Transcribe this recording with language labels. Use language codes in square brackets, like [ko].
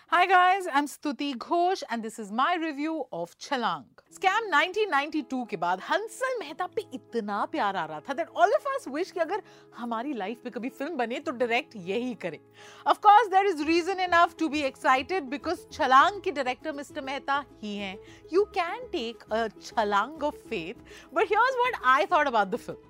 [en] Hi guys, I'm Stuti Ghosh and this is my review of Chalang. [hi] Scam 1992 के बाद हंसल मेहता पे इतना प्यार आ रहा था that all of us wish कि अगर हमारी लाइफ पे कभी फिल्म बने तो डायरेक्ट यही करे. [en] Of course, there is reason enough to be excited because Chalang के director Mr. Mehta ही हैं. You can take a Chalang of faith, but here's what I thought about the film.